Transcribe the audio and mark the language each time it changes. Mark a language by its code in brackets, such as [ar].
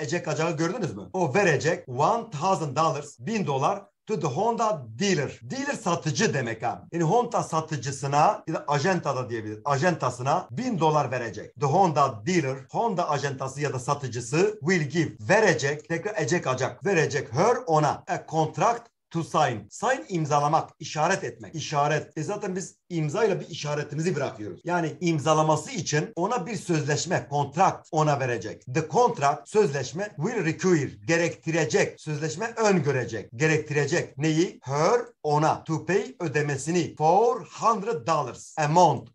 [tr] Ecek acağı gördünüz mü? O verecek $1,000, $1,000. [en] To the Honda dealer. Dealer [tr] satıcı demek ha. Yani Honda satıcısına ya da ajenta da diyebiliriz. Ajentasına $1,000 verecek. [en] The Honda dealer, [tr] Honda ajentası ya da satıcısı [en] will give. [tr] Verecek, tekrar ecek acak. Verecek [en] her [tr] ona [en] a contract to sign. [tr] Sign imzalamak, işaret etmek. İşaret. E zaten biz imzayla bir işaretimizi bırakıyoruz. Yani imzalaması için ona bir sözleşme, kontrakt ona verecek. [en] The contract, [tr] sözleşme, [en] will require, [tr] gerektirecek. Sözleşme öngörecek, gerektirecek. Neyi? Her, ona. [en] To pay, [tr] ödemesini. $400 [en] a month.